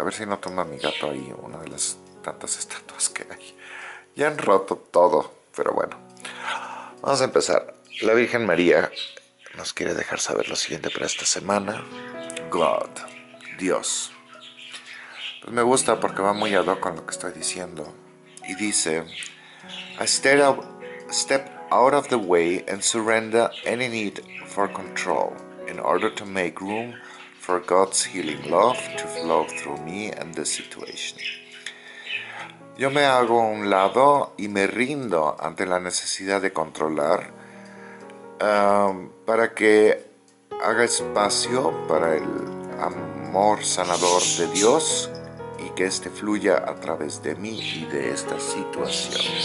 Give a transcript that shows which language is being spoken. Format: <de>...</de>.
<es>A ver si no toma mi gato ahí una de las tantas estatuas que hay. Ya han roto todo, pero bueno. Vamos a empezar. La Virgen María nos quiere dejar saber lo siguiente para esta semana. God, Dios. Pues me gusta porque va muy ad hoc con lo que estoy diciendo. Y dice,</es> <en>step out of the way and surrender any need for control in order to make room for God's healing love to flow through me and the situation.</en> <es>Yo me hago a un lado y me rindo ante la necesidad de controlar para que haga espacio para el amor sanador de Dios y que este fluya a través de mí y de esta situación.</es>